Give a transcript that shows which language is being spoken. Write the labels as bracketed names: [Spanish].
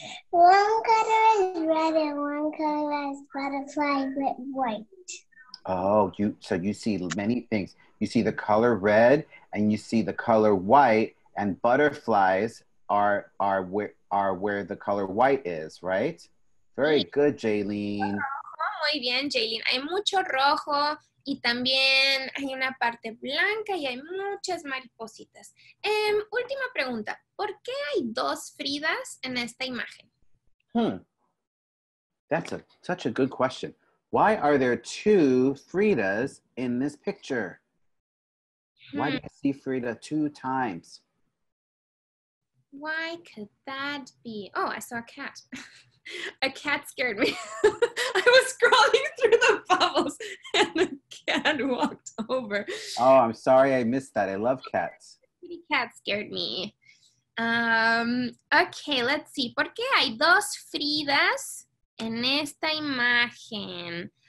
[English] One color is red and one color is butterfly but white. Oh, so you see many things. You see the color red and you see the color white, and butterflies are where the color white is, right? Very good, Jaylene. [Spanish] Oh, muy bien, Jaylene. Hay mucho rojo y también hay una parte blanca y hay muchas maripositas. Última pregunta. ¿Por qué hay dos Fridas en esta imagen? [English] That's such a good question. Why are there two Fridas in this picture? Why do I see Frida two times? Why could that be? Oh, I saw a cat. A cat scared me. I was scrolling through the bubbles and a cat walked over. Oh, I'm sorry I missed that. I love cats. The cat scared me. Okay, let's see. [Spanish] ¿Por qué hay dos Fridas en esta imagen?